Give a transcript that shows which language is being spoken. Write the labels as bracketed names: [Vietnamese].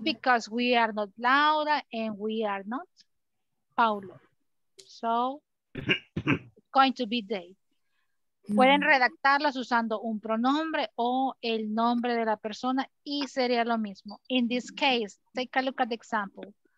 [English] because we are not Laura and we are not Paulo. So, it's going to be they. [Spanish] Pueden redactarlas usando un pronombre o el nombre de la persona y sería lo mismo. [English] In this case, take a look at the example.